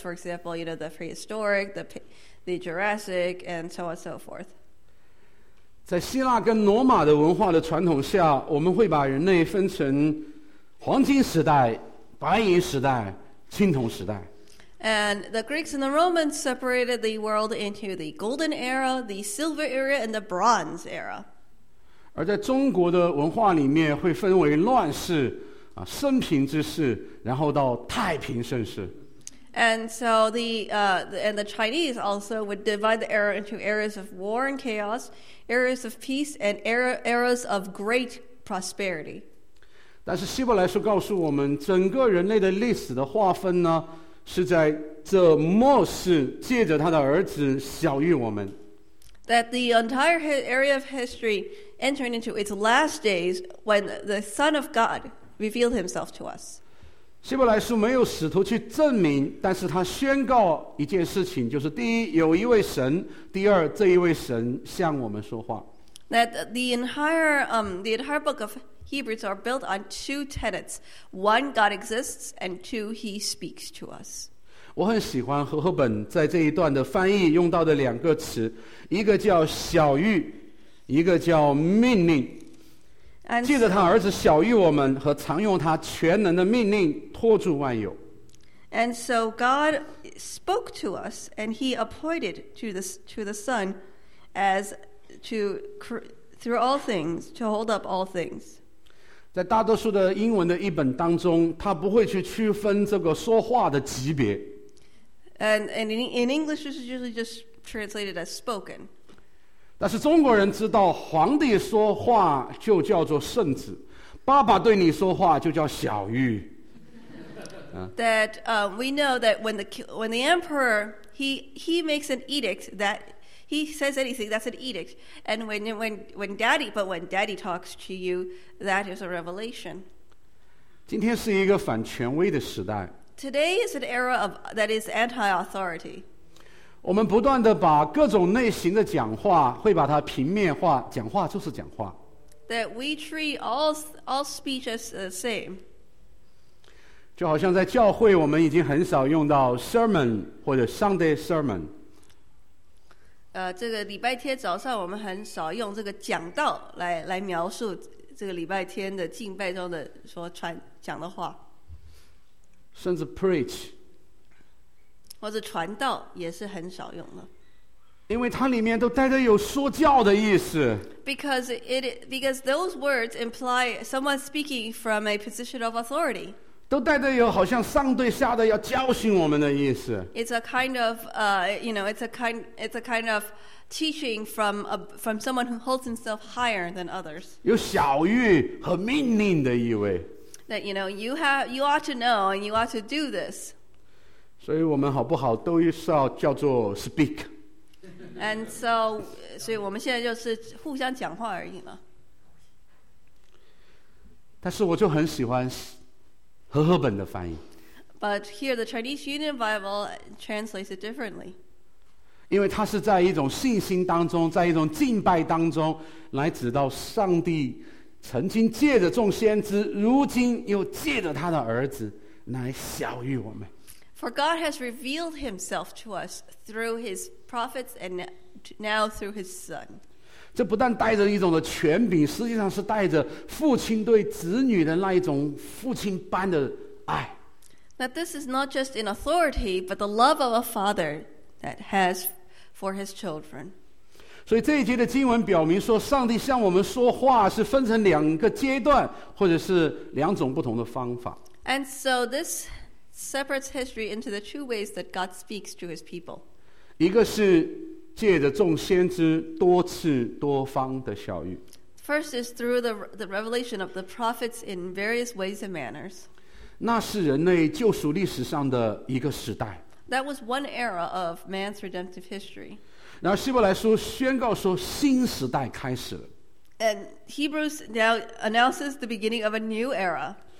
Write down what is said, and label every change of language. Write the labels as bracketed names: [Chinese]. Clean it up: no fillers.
[English] For example, you know the prehistoric, the Jurassic, and so on and so forth. [Chinese] 在希腊跟罗马的文化的传统下，我们会把人类分成黄金时代、白银时代、青铜时代。 [English] And the Greeks and the Romans separated the world into the golden era, the silver era, and the bronze era. [Chinese] 而在中国的文化里面会分为乱世、啊、升平之世，然后到太平盛世。 [English] And so the Chinese also would divide the era into eras of war and chaos, eras of peace, and eras of great prosperity. [Chinese] 但是希伯来书告诉我们，整个人类的历史的划分呢，是在这末世借着他的儿子晓谕我们。 [English] That the entire area of history entering into its last days when the Son of God revealed himself to us. [Chinese] 希伯来书没有使徒去证明，但是他宣告一件事情，就是第一，有一位神；第二，这一位神向我们说话。 [English] That the entire book of Hebrews are built on two tenets. One, God exists, and two, he speaks to us. [Chinese] 我很喜欢和合本在这一段的翻译用到的两个词，一个叫晓谕，一个叫命令。借着他儿子晓谕我们，和常用他全能的命令托住万有。 [English] And so God spoke to us, and He appointed to the Son as to through all things to hold up all things. [Chinese] 在大多数的英文的译本当中，他不会去区分这个说话的级别。 [English] And in English, this is usually just translated as spoken. [Chinese] 但是中国人知道，皇帝说话就叫做圣旨，爸爸对你说话就叫小谕。 [English] That we know that when the emperor he makes an edict that he says anything that's an edict, and when daddy talks to you, that is a revelation. [Chinese] 今天是一个反权威的时代。 [English] Today is an era of that is anti-authority. [Chinese] 我们不断的把各种类型的讲话会把它平面化，讲话就是讲话。 [English] That we treat all speech as the same. [Chinese] 就好像在教会我们已经很少用到 sermon 或者 [English] Sunday sermon [Chinese] 这个礼拜天早上我们很少用这个讲道 来描述这个礼拜天的敬拜中的所传讲的话甚至 preach 或者传道也是很少用的因为它里面都带着有说教的意思 [English] because those words imply someone speaking from a position of authority [Chinese] 都带着有好像上对下的要教训我们的意思。 [English] It's a kind of, you know, it's a kind of teaching from someone who holds himself higher than others. [Chinese] 有小谕和命令的意味。 [English] That you know you ought to know and you ought to do this. [Chinese] 所以我们好不好都是要叫做 speak. [English] And so [Chinese] 我们现在就是互相讲话而已嘛。但是我就很喜欢。和合本的翻译 [English] But here the Chinese Union Bible translates it differently [Chinese] 因为它是在一种信心当中在一种敬拜当中来指到上帝曾经借着众先知如今又借着他的儿子来晓谕我们 [English] For God has revealed himself to us through his prophets and now through his son [Chinese] 这不但带着一种的权柄实际上是带着父亲对子女的那一种父亲般的爱 [English] That this is not just in authority but the love of a father that has for his children [Chinese] 所以这一节的经文表明说上帝向我们说话是分成两个阶段或者是两种不同的方法 [English] And so this separates history into the two ways that God speaks to his people [Chinese] 一个是借着众先知多次多方的晓谕 [English] First is through the revelation of the prophets in various ways and manners [Chinese] 那是人类救赎历史上的一个时代 [English] That was one era of man's redemptive history [Chinese] 然后希伯来书宣告说新时代开始了 [English] And Hebrews now announces the beginning of a new era